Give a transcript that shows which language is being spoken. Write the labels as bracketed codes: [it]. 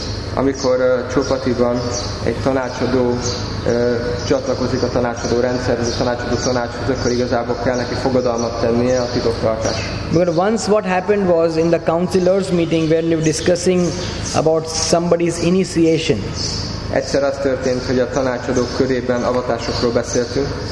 [hu] Amikor Chupatiban egy tanácsadó csatlakozik a tanácsadó rendszerhez, a tanácsadó tanácshoz, akkor igazából kell neki fogadalmat tennie a titoktartás. [en] But once what happened was in the counselors meeting where we were discussing about somebody's initiation. [hu] Egyszer az történt, hogy a tanácsadók körében avatásokról beszéltünk.